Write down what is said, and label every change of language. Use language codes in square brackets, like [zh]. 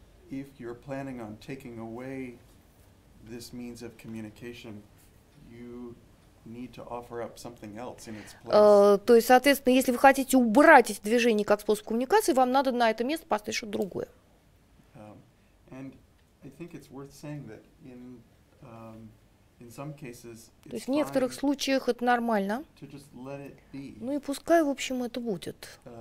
[en] If you're planning on taking away this means of communication, you need to offer up something else in its place. [ru] То есть, соответственно, если вы хотите убрать эти движения как способ коммуникации, вам надо на это место поставить что-то другое. [en] And I think it's worth saying that in some cases. [ru] То есть в некоторых случаях это нормально. [en] To just let it be. [ru] Ну и пускай, в общем, это будет.